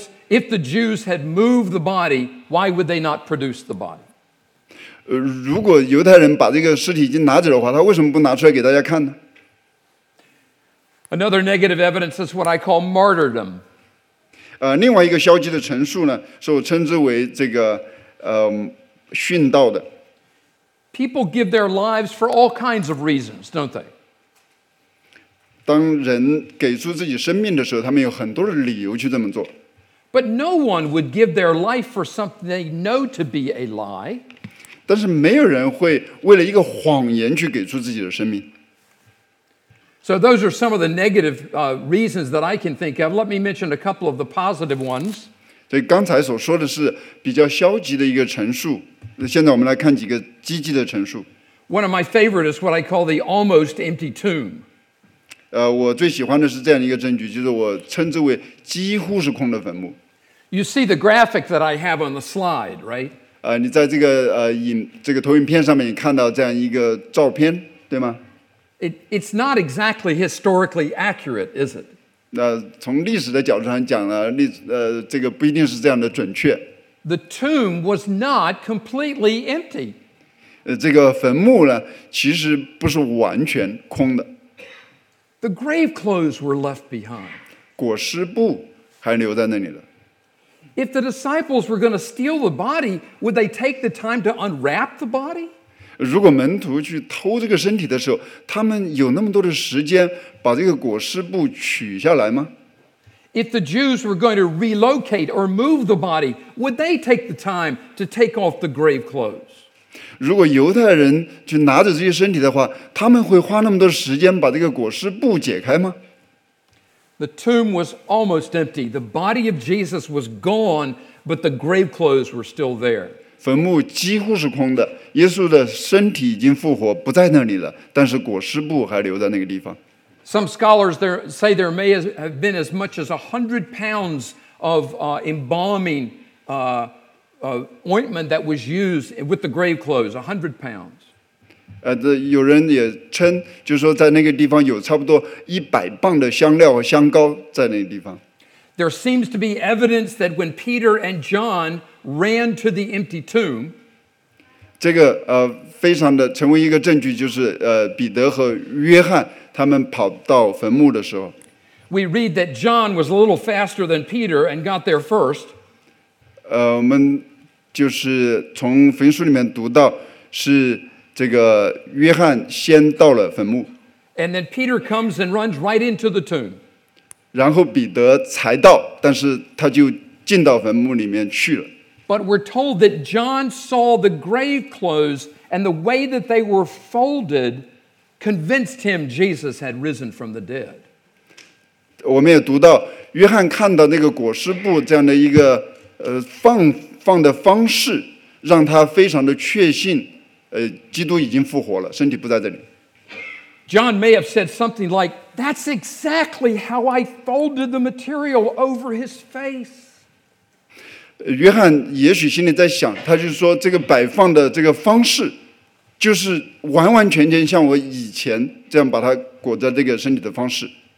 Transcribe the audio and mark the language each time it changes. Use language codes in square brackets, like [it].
[en] If the Jews had moved the body, why would they not produce the body? [zh] 如果犹太人把这个尸体已经拿走的话，他为什么不拿出来给大家看呢？ [en] Another negative evidence is what I call martyrdom. [zh] 另外一个消极的陈述呢，是我称之为这个殉道的。 [en] People give their lives for all kinds of reasons, don't they? [zh] 当人给出自己生命的时候，他们有很多的理由去这么做。 [en] But no one would give their life for something they know to be a lie. [zh] 但是没有人会为了一个谎言去给出自己的生命。 [en] So those are some of the negative reasons that I can think of. Let me mention a couple of the positive ones. [zh] 对，刚才所说的是比较消极的一个陈述。现在我们来看几个积极的陈述。 [en] One of my favorite is what I call the almost empty tomb. [zh] 我最喜欢的是这样一个证据，就是我称之为几乎是空的坟墓。 [en] You see the graphic that I have on the slide, right? [zh] 你在这个这个投影片上面看到这样一个照片，对吗？ [en] It's not exactly historically accurate, is it? [zh] 从历史的角度上讲呢，这个不一定是这样的准确。 [en] The tomb was not completely empty. [zh] 这个坟墓呢，其实不是完全空的。 [en] The grave clothes were left behind. [zh] 裹尸布还留在那里了。 [en] If the disciples were going to steal the body, would they take the time to unwrap the body? [zh] 如果门徒去偷这个身体的时候，他们有那么多的时间把这个裹尸布取下来吗？ [en] If the Jews were going to relocate or move the body, would they take the time to take off the grave clothes? [zh] 如果犹太人去拿着这些身体的话，他们会花那么多时间把这个裹尸布解开吗？ [en] The tomb was almost empty. The body of Jesus was gone, but the grave clothes were still there. [zh] 坟墓几乎是空的，耶稣的身体已经复活，不在那里了，但是裹尸布还留在那个地方。 [en] Some scholars say there may have been as much as 100 pounds of embalming ointment that was used with the grave clothes, 100 pounds. [zh] 有人也称，就是说在那个地方有差不多100磅的香料和香膏在那个地方。 [en] There seems to be evidence that when Peter and John ran to the empty tomb, [zh] 这个非常的成为一个证据，就是彼得和约翰他们跑到坟墓的时候。 [en] We read that John was a little faster than Peter and got there first. [zh] 我们就是从福音书里面读到是这个约翰先到了坟墓。 [en] And then Peter comes and runs right into the tomb. [zh] 然后彼得才到，但是他就进到坟墓里面去了。 [en] But we're told that John saw the grave clothes and the way that they were folded convinced him Jesus had risen from the dead. [zh] 我们也读到约翰看到那个裹尸布这样的一个放的方式让他非常的确信基督已经复活了身体不在这里。 [en] John may have said something like, that's exactly how I folded the material over his face. [zh] 约翰也许心里在想他就是说这个摆放的这个方式就是完完全全像我以前这样把它裹在这个身体的方式。